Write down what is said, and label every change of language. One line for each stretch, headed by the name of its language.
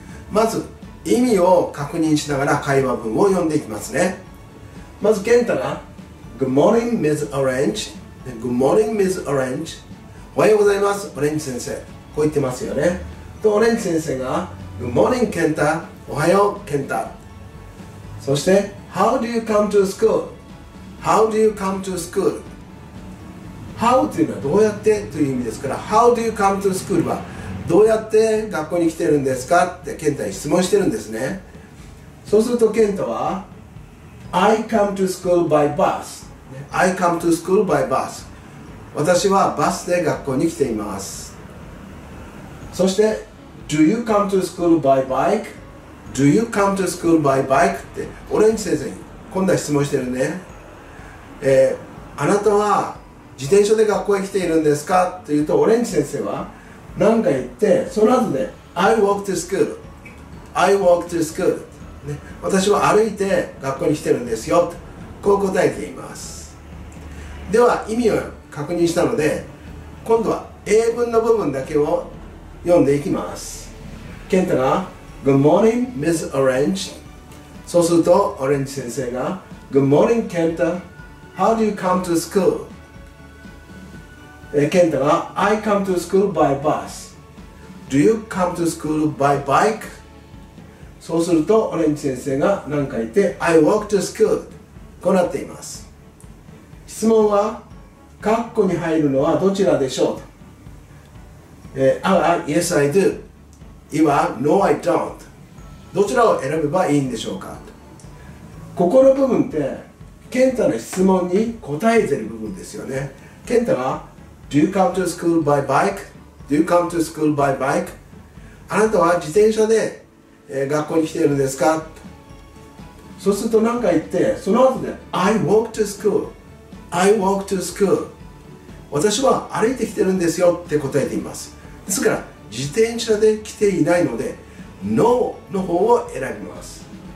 Japanese: まず意味を確認しながら会話文を読んでいきますね。まずケンタが
English: Good morning, Ms. Orange. Good morning, Ms. Orange.
Japanese: おはようございます、オレンジ先生。こう言ってますよね。と、オレンジ先生が、
English: Good morning, Kenta.
Japanese: おはよう、Kenta.
English: そして、How do you come to school? How do you come to school?
Japanese: How というのはどうやってという意味ですから、
English: How do you come to school
Japanese: は、どうやって学校に来てるんですかって、ケンタに質問してるんですね。そうすると、ケンタは、
English: I come to school by bus. I come to school by bus.
Japanese: 私はバスで学校に来ています。
English: そして、Do you come to school by bike? Do you come to school by bike?
Japanese: って、オレンジ先生に今度は質問してるね。あなたは自転車で学校へ来ているんですかって言うと、オレンジ先生は、何か言って、その後で、
English: I walk to school. I walk to school.、
Japanese: ね、私は歩いて学校に来てるんですよ。こう答えています。では、意味を確認したので、今度は英文の部分だけを読んでいきます。ケンタが、
English: Good morning, Ms. Orange.
Japanese: そうすると、オレンジ先生が、
English: Good morning, Kenta. How do you come to school? ケンタが I come to school by bus. Do you come to school by bike?
Japanese: そうするとオレンジ先生が何か言って
English: I walk to school.
Japanese: こうなっています。質問は括弧に入るのはどちらでしょう、
English: Yes, I do. いわ No, I don't.
Japanese: どちらを選べばいいんでしょうか。ここの部分ってケンタの質問に答えてる部分ですよね。
English: ケンタがDo you come to school by bike? Do you come to school by bike?
Japanese: あなたは自転車で学校に来ているんですか? そうすると何か言って、その後で
English: I walk to school. I walk to school.
Japanese: 私は歩いてきてるんですよって答えています。ですから、自転車で来ていないので No の方を選びます。